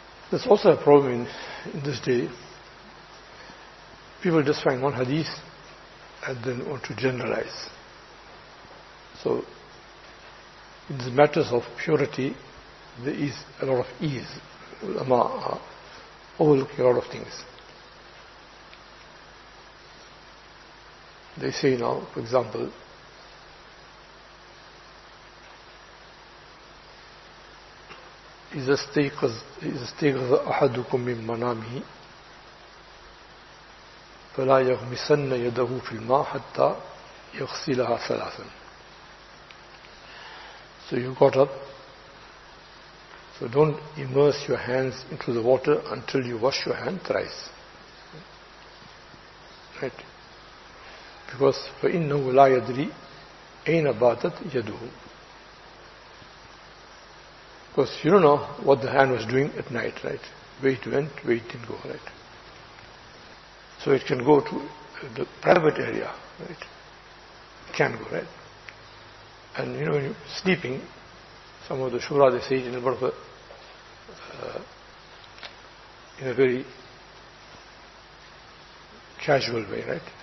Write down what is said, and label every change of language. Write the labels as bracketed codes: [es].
[en] There's also a problem in this day. People just find one hadith, and then want to generalize. So, in the matters of purity, there is a lot of ease. Ulama are overlooking a lot of things. They say now, for example, [ar] إِذَا اسْتَيْقَظَ أَحَدُكُمْ مِنْ مَنَامِهِ فَلَا يَغْمِسَنَّ يَدَهُ فِي الْمَا حَتَّى يَغْسِلَهَا ثَلَاثًا. [en] So you got up, so don't immerse your hands into the water until you wash your hand thrice. Right? Because [ar] فَإِنَّهُ لَا يَدْرِي أَيْنَ بَاتَتْ يَدُهُ. [en] Because you don't know what the hand was doing at night, right? Where it went, where it didn't go, right? So it can go to the private area, right? It can go, right? And you know, when you're sleeping, some of the shura, they say it in a bit of a, in a very casual way, right?